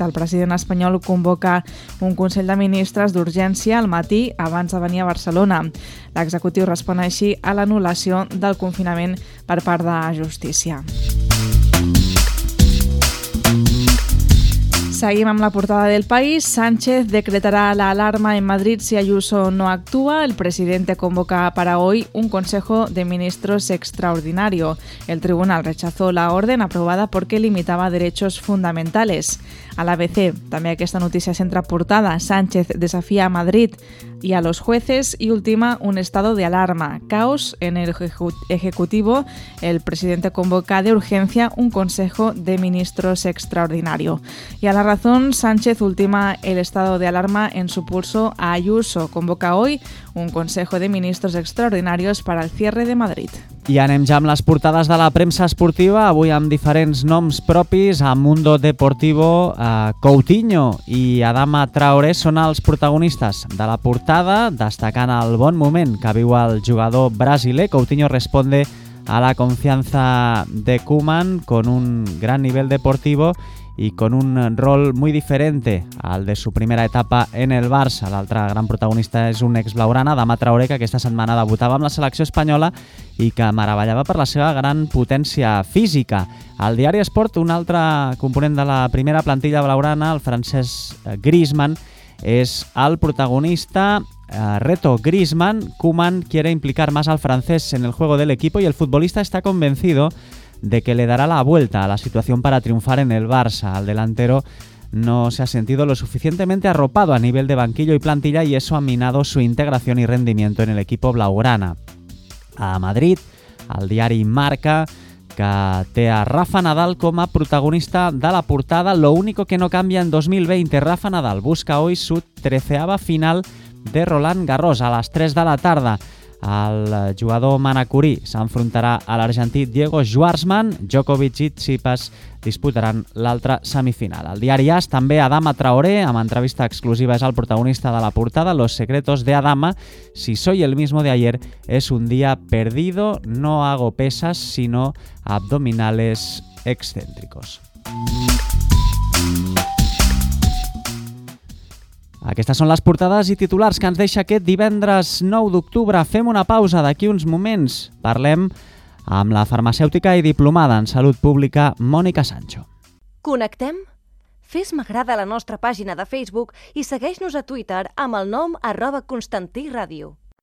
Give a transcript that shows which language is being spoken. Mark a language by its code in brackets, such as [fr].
[ca] El president espanyol convoca un Consell de Ministres d'urgència al matí abans de venir a Barcelona. L'executiu respon així a l'anul·lació del confinament per part de Justícia. Seguim amb la portada del País. [es] Sánchez decretarà l'alarma en Madrid si Ayuso no actúa. El presidente convoca para hoy un consejo de ministros extraordinario. El tribunal rechazó la orden aprobada porque limitaba derechos fundamentales. [ca] A l'ABC, també aquesta notícia centra portada. [es] Sánchez desafia a Madrid y a los jueces y ultima un estado de alarma. Caos en el Ejecutivo. El presidente convoca de urgencia un consejo de ministros extraordinario. Y a la razón, Sánchez ultima el estado de alarma en su pulso a Ayuso. Convoca hoy un consejo de ministros extraordinarios para el cierre de Madrid. [ca] I anem ja amb les portades de la premsa esportiva, avui amb diferents noms propis, a Mundo Deportivo, a Coutinho i Adama Traoré són els protagonistes de la portada, destacant el bon moment que viu el jugador brasiler. [es] Coutinho responde a la confianza de Koeman con un gran nivel deportivo y con un rol muy diferente al de su primera etapa en el Barça. [ca] L'altre gran protagonista és un ex blaugrana, Adama Traoré, que aquesta setmana debutava amb la selecció espanyola i que meravellava per la seva gran potència física. Al diari Esport, un altre component de la primera plantilla blaugrana, el francès Griezmann, és el protagonista. [es] Reto Griezmann, Koeman quiere implicar más al francés en el juego del equipo y el futbolista está convencido de que le dará la vuelta a la situación para triunfar en el Barça. Al delantero no se ha sentido lo suficientemente arropado a nivel de banquillo y plantilla y eso ha minado su integración y rendimiento en el equipo blaugrana. [ca] A Madrid, al diari Marca, que té a Rafa Nadal com a protagonista de la portada. [es] Lo único que no cambia en 2020, Rafa Nadal busca hoy su 13ª final de Roland Garros [ca] a les 3 de la tarda. El jugador manacorí s'enfrontarà a l'argentí Diego Schwartzman. Djokovic i Tsipas disputaran l'altra semifinal. El diari AS, també Adama Traoré, amb entrevista exclusiva, és el protagonista de la portada. [es] Los secretos de Adama. Si soy el mismo de ayer, es un día perdido. No hago pesas, sino abdominales excéntricos. [ca] Aquestes són les portades i titulars que ens deixa aquest divendres 9 d'octubre. Fem una pausa d'aquí uns moments. Parlem amb la farmacèutica i diplomada en salut pública, Mònica Sancho. Connectem? Fes m'agrada a la nostra pàgina de Facebook i segueix-nos a Twitter amb el nom @ConstantíRadio.